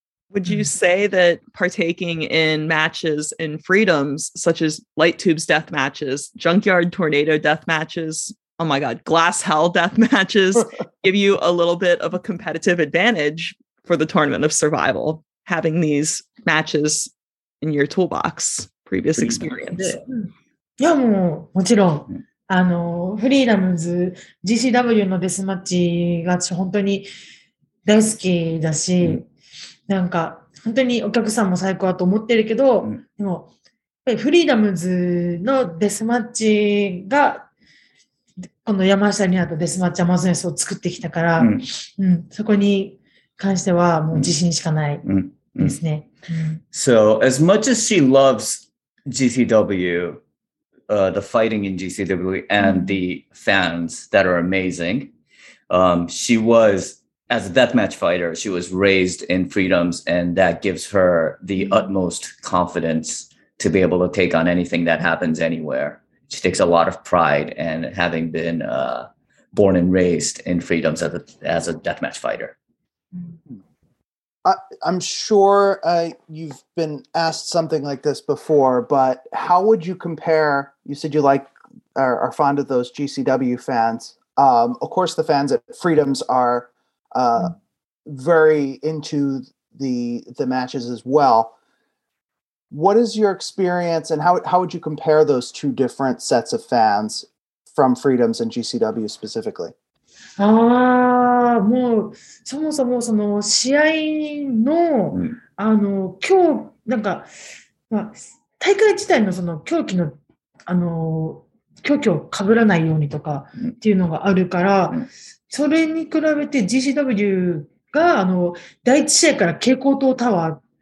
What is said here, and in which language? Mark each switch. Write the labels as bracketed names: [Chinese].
[English] Would you say that partaking in matches in freedoms, such as light tubes death matches, junkyard tornado death matches, oh my God, glass hell death matches, give you a little bit of a competitive advantage for the tournament of survival, having these matches in your toolbox? Previous experience. [Japanese] いやもうもちろんあのフリーダムズ GCW のデスマッチが本当に大好きだし、うん、なんか本当にお客さんも最高だと思ってるけど、うん、でもやっぱりフリーダムズのデスマッチがこの山下にあったデスマッチアマゾネスを作ってきたから、うんうん、そこに関してはもう自信しかないですね。うんうんうん、 [English] so as much as she lovesGCW, the fighting in GCW and the fans that are amazing. She was, as a deathmatch fighter, she was raised in freedoms and that gives her the utmost confidence to be able to take on anything that happens anywhere. She takes a lot of pride in having been born and raised in freedoms as a deathmatch fighter. I'm sure you've been asked something like this before, but how would you compare, you said you like, are fond of those GCW fans. Of course, the fans at Freedoms are very into the matches as well. What is your experience and how would you compare those two different sets of fans from Freedoms and GCW specifically? [Japanese] もうそもそもその試合の、うん、あの今日なんか、まあ、大会自体のその狂気のあの狂気を被らないようにとかっていうのがあるから、うん、それに比べて GCW があの第一試合から蛍光灯タワ